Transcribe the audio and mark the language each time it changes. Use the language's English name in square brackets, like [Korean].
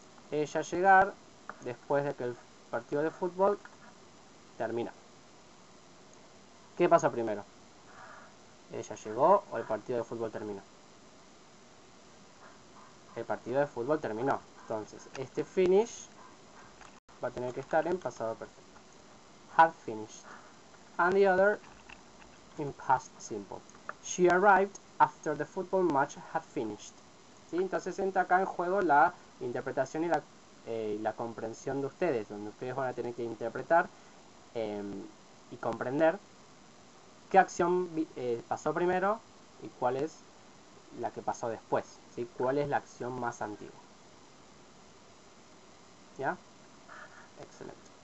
[Spanish] Ella llegar después de que el partido de fútbol termina. ¿Qué pasa primero? ¿Ella llegó o el partido de fútbol terminó? El partido de fútbol terminó. Entonces, este finish va a tener que estar en pasado perfecto. [English] Had finished. And the other in past simple. She arrived after the football match had finished. [Spanish] ¿Sí? Entonces entra acá en juego la interpretación y la comprensión de ustedes, donde ustedes van a tener que interpretar y comprender qué acción pasó primero y cuál es la que pasó después. ¿Sí? ¿Cuál es la acción más antigua? ¿Ya? Excelente.